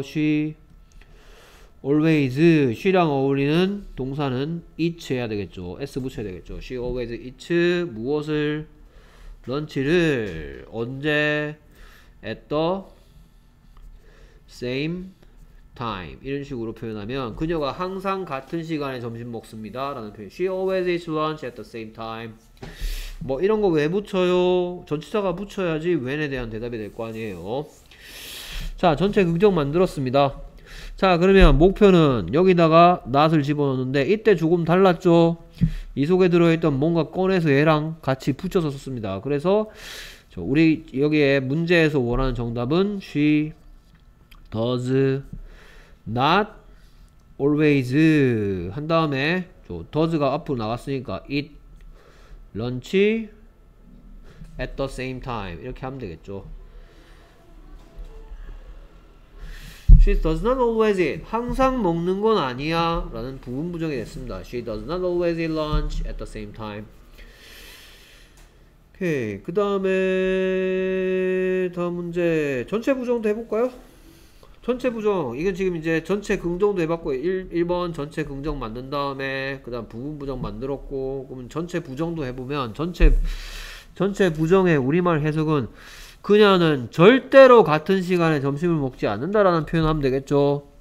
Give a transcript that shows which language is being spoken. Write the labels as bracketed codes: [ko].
[en] She always. [ko] She랑 어울리는 동사는 eat 해야 되겠죠. S 붙여야 되겠죠. [en] She always eat [ko] 무엇을? 런치를 언제? [en] At the same time. [ko] 이런 식으로 표현하면 그녀가 항상 같은 시간에 점심 먹습니다라는 표현. [en] She always eats lunch at the same time. [ko] 뭐 이런 거왜 붙여요? 전치사가 붙여야지 when에 대한 대답이 될거 아니에요. 자, 전체 긍정 만들었습니다. 자, 그러면 목표는 여기다가 not을 집어넣는데 이때 조금 달랐죠. 이 속에 들어있던 뭔가 꺼내서 얘랑 같이 붙여서 썼습니다. 그래서 우리 여기에 문제에서 원하는 정답은 [en] she does not always [ko] 한 다음에 does가 앞으로 나갔으니까 [en] it Lunch at the same time [ko] 이렇게 하면 되겠죠. [en] She does not always eat. [ko] 항상 먹는 건 아니야 라는 부분 부정이 됐습니다. [en] She does not always eat lunch at the same time. [ko] 오케이, 그 다음에 다음 문제 전체 부정도 해볼까요? 전체 부정 이건 지금 이제 전체 긍정도 해봤고 1번 전체 긍정 만든 다음에 그다음 부분 부정 만들었고 그러면 전체 부정도 해보면 전체 부정의 우리말 해석은 그녀는 절대로 같은 시간에 점심을 먹지 않는다라는 표현을 하면 되겠죠.